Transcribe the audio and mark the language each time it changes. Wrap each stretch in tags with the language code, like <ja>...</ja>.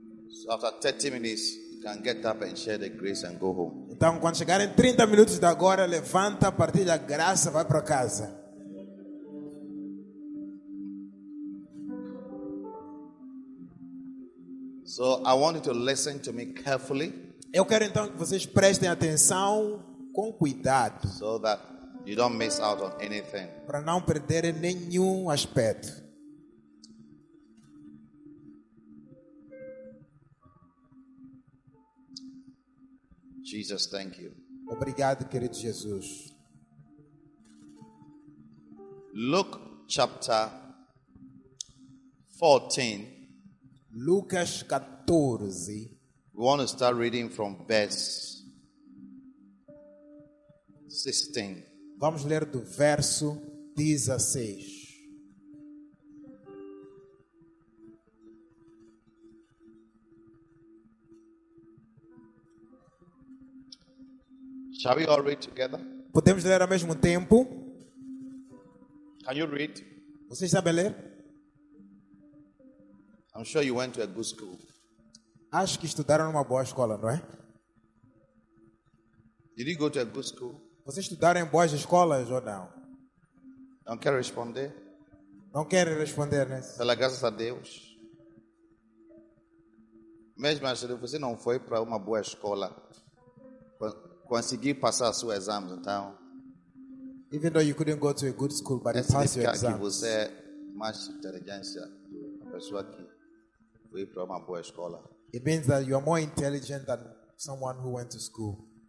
<en>So after 30 minutes, you can get up and share the grace and go home.</en> <pt>Então, quando chegarem 30 minutos de agora, levanta, partilha a graça, vai para casa.</pt> <en>So I want you to listen to me carefully.</en> <pt>Eu quero então que vocês prestem atenção com cuidado.</pt> <en>So that you don't miss out on anything.</en> <pt>Para não perder nenhum aspecto.</pt> <en>Jesus, thank you.</en> <pt>Obrigado, querido Jesus.</pt> <en>Luke chapter 14.</en> <pt>Lucas 14.</pt> <en>We want to start reading from verse 16.</en> <pt>Vamos ler do verso 16.</pt> <en>Shall we all read together?</en> <pt>Podemos ler ao mesmo tempo?</pt> <en>Can you read?</en> <pt>Você sabe ler?</pt> <en>I'm sure you went to a good school.</en> <pt>Acho que estudaram numa boa escola, não é?</pt> <en>Did you go to a good school?</en> <pt>Vocês estudaram em boas escolas ou não? Não quero responder. Não quero responder, né? Pela graça a Deus. Mesmo se você não foi para uma boa escola, conseguiu passar seu exame, então.</pt> <en>Even though you couldn't go to a good school, but you passed your exam.</en> <pt>Significa que você é mais inteligência do que a pessoa que foi para uma boa escola.</pt> <en>It means that you are more intelligent than someone who went to school.</en>